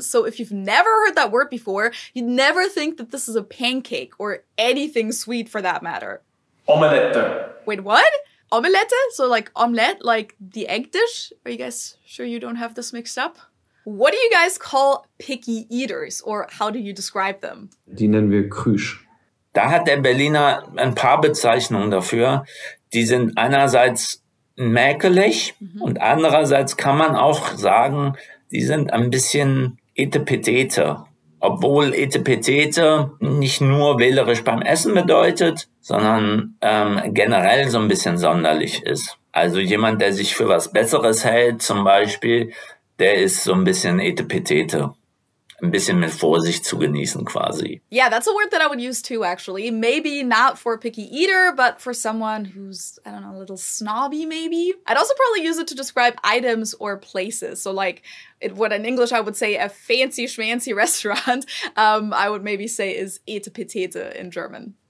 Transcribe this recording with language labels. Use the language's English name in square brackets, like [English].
[English] So if you've never heard that word before, you'd never think that this is a pancake or anything sweet for that matter. [German] Omelette. [English] Wait, what? Omelette? So like omelette, like the egg dish? Are you guys sure you don't have this mixed up? What do you guys call picky eaters, or how do you describe them? [German] Die nennen wir Krüsch. Da hat der Berliner ein paar Bezeichnungen dafür. Die sind einerseits mäkelig, und andererseits kann man auch sagen, die sind ein bisschen etepetete. Obwohl etepetete nicht nur wählerisch beim Essen bedeutet, sondern generell so ein bisschen sonderlich ist. Also jemand, der sich für was Besseres hält, zum Beispiel, der ist so ein bisschen etepetete. Ein bisschen mit Vorsicht zu genießen quasi. [English] Yeah, that's a word that I would use too, actually. Maybe not for a picky eater, but for someone who's, I don't know, a little snobby maybe. I'd also probably use it to describe items or places. So like, what in English I would say a fancy schmancy restaurant, I would maybe say is etepetete in German.